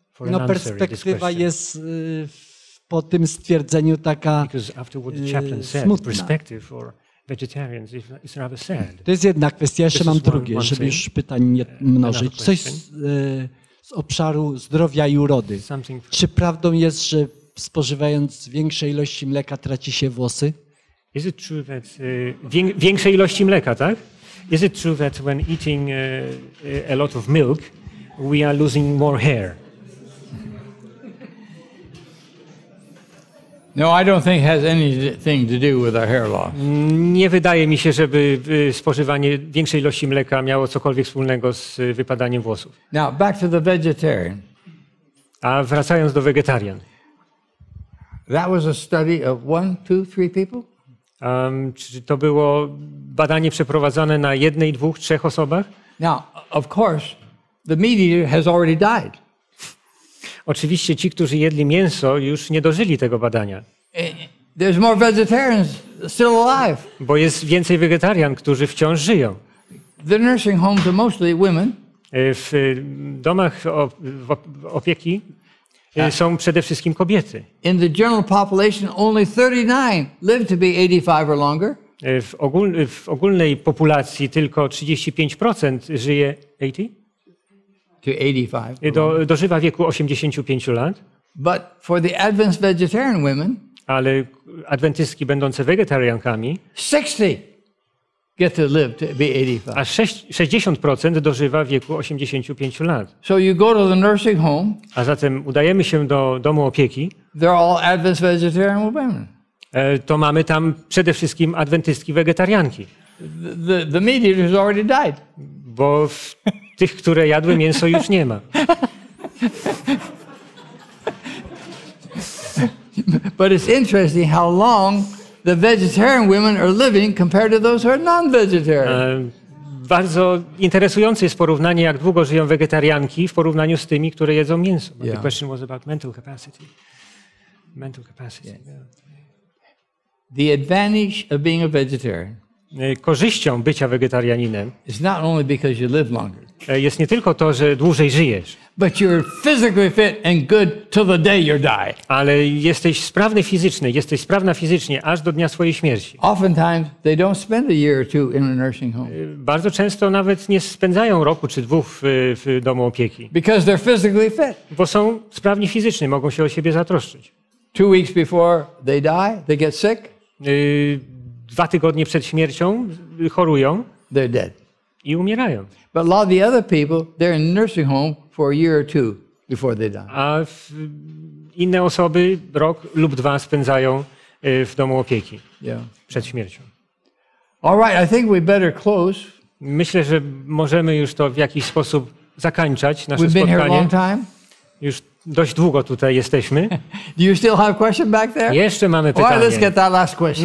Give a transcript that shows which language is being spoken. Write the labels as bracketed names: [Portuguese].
[Polish] no perspektywa jest po tym stwierdzeniu taka smutna. [English] Vegetarians, it's rather sad. [Polish] To jest jedna kwestia, jeszcze mam drugie, żeby już pytań nie mnożyć. Coś z obszaru zdrowia i urody. Czy prawdą jest, że spożywając większej ilości mleka traci się włosy? [English] Is it true that [Polish] większej ilości mleka, tak? [English] Is it true that when eating a lot of milk, we are losing more hair? No, I don't think it has anything to do with our hair loss. [Polish] Nie wydaje mi się, żeby spożywanie większej ilości mleka miało cokolwiek wspólnego z wypadaniem włosów. [English] Now, back to the vegetarian. [Polish] A wracając do wegetarian. [English] That was a study of 1, 2, 3 people? [Polish] Czy to było badanie przeprowadzone na jednej, dwóch, trzech osobach? [English] Now, of course, the meat eater has already died. [Polish] Oczywiście ci, którzy jedli mięso, już nie dożyli tego badania. [English] There's more vegetarians still alive. [Polish] Bo jest więcej wegetarian, którzy wciąż żyją. [English] The nursing homes are mostly women. [Polish] W domach opieki są przede wszystkim kobiety. [English] In the general population only 39 live to be 85 or longer. [Polish] W ogólnej populacji tylko 35% żyje 80. [English] To 85. [Polish] Dożywa wieku 85 lat. [English] But for the advanced vegetarian women, [Polish] ale adwentystki będące wegetariankami, [English] 60 get to live to be 85. [Polish] A 60% dożywa wieku 85 lat. [English] So you go to the nursing home. [Polish] A zatem udajemy się do domu opieki. [English] They're all advanced vegetarian women. [Polish] To mamy tam przede wszystkim adwentystki wegetarianki. [English] The meat eater has already died. [Polish] Bo tych, które jadły mięso, już nie ma. [English] But it's interesting how long the vegetarian women are living compared to those who are non-vegetarian. [Polish] Bardzo interesujące jest porównanie, jak długo żyją wegetarianki w porównaniu z tymi, które jedzą mięso. [English] Yeah. The question was about mental capacity. Mental capacity. Yeah. The advantage of being a vegetarian. [Polish] Korzyścią bycia wegetarianinem [English] is not only because you live longer. [Polish] Jest nie tylko to, że dłużej żyjesz. [English] But you're physically fit and good till the day you die. [Polish] Ale jesteś sprawny fizycznie, jesteś sprawna fizycznie aż do dnia swojej śmierci. [English] Oftentimes they don't spend a year or two in a nursing home. [Polish] Bardzo często nawet nie spędzają roku czy dwóch w domu opieki. [English] Because they're physically fit. [Polish] Bo są sprawni fizycznie, mogą się o siebie zatroszczyć. [English] 2 weeks before they die, they get sick. [Polish] Dwa tygodnie przed śmiercią chorują. [English] They're dead. [Polish] I umierają. [English] But a lot of the other people, they're in nursing home for a year or two before they die. [Polish] A inne osoby rok lub dwa spędzają w domu opieki. [English] Yeah. [Polish] Przed śmiercią. [English] All right, I think we better close. [Polish] Myślę, że możemy już to w jakiś sposób zakończać nasze [English] We've [Polish] spotkanie. [English] Been here a long time. [Polish] Już dość długo tutaj jesteśmy. [English] Do you still have a question back there? [Polish] Jeszcze mamy pytanie. [English] Let's get that last question.